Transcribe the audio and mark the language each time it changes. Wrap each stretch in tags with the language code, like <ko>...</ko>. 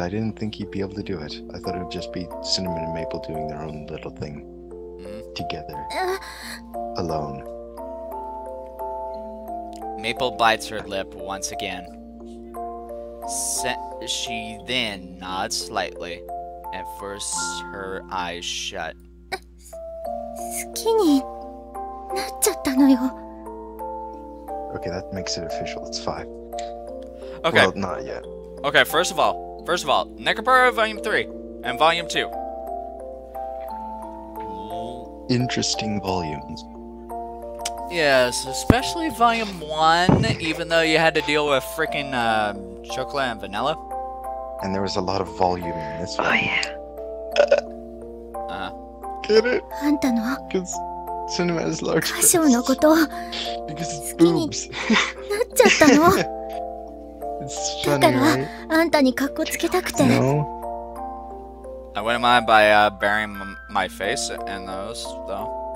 <en>I didn't think he'd be able to do it. I thought it would just be Cinnamon and Maple doing their own little thing together. Alone. Maple bites her lip once again. She then nods slightly and forces her eyes shut.</en> <ja>好きになっちゃったのよ。</ja> <en>Okay, that makes it official. It's five. Okay. Well, not yet. Okay, first of all, Nekopara Volume 3 and Volume 2. Interesting volumes. Yes, especially Volume 1, even though you had to deal with freaking chocolate and vanilla. And there was a lot of volume in this one. Oh, yeah. Get it? What? Because cinema is large. Because it's boobs. What? It's funny,</en> <ja>だからあんたにカッコつけたくて。</ja> <en>No. I wouldn't mind by burying my face in those, though.</en>